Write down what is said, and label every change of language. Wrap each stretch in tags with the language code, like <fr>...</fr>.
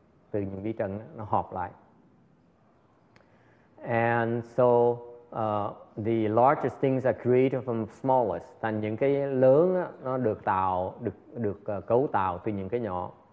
<vi>Từ những vi trần nó họp lại.</vi> <en>And so the largest things are created from smallest.</en> <vi>Thành những cái lớn á, nó được tạo, được cấu tạo từ những cái nhỏ.</vi>